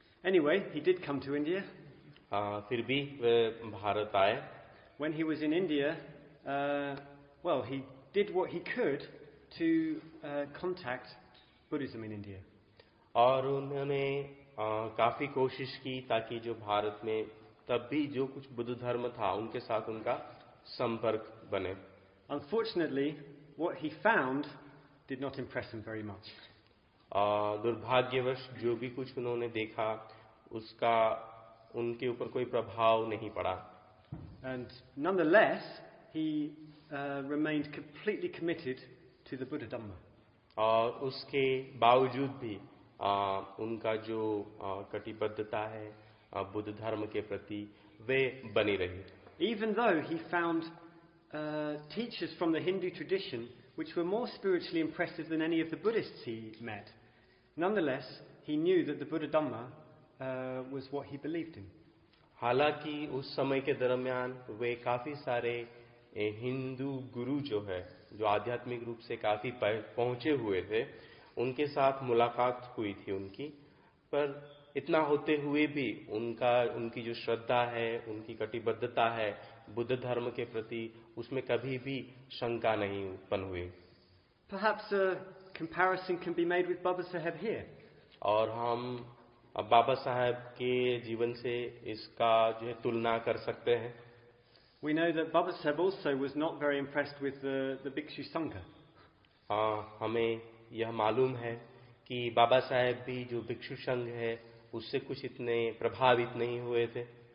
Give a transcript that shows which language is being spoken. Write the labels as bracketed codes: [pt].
[en] Anyway, he did come to India. [hi] फिर भी वे भारत आए. [en] When he was in India, he did what he could to contact Buddhism in India. [hi] और उन्होंने काफी कोशिश की ताकि जो भारत में तब भी जो कुछ बुद्ध धर्म था उनके साथ उनका संपर्क बने. [en] Unfortunately, what he found did not impress him very much. [hi] दुर्भाग्यवश जो भी कुछ उन्होंने देखा उसका उनके ऊपर कोई प्रभाव नहीं पड़ा. [en] And nonetheless, he remained completely committed to the Buddha Dhamma. [hi] और उसके बावजूद भी उनका जो कटिबद्धता है बुद्ध धर्म के प्रति वे बनी रही. [en] Even though he found teachers from the Hindu tradition which were more spiritually impressive than any of the Buddhists he met, nonetheless, he knew that the Buddha Dhamma was what he believed in. [hi] हालांकि उस समय के दरमियान वे काफी सारे हिंदू गुरु जो है जो आध्यात्मिक रूप से काफी पहुंचे हुए थे उनके साथ मुलाकात हुई थी उनकी, पर इतना होते हुए भी उनकी जो श्रद्धा है उनकी कटिबद्धता है बुद्ध धर्म के प्रति उसमें कभी भी शंका नहीं उत्पन्न हुई। [en] Perhaps a comparison can be made with Baba Saheb here. [hi] और हम बाबा साहब के जीवन से इसका जो है तुलना कर सकते हैं। [en] We know that Baba Saheb also was not very impressed with the Bhikshu Sangha. [hi] हमें यह मालूम है कि बाबा साहब भी जो भिक्षु संघ है उससे कुछ इतने प्रभावित नहीं हुए थे।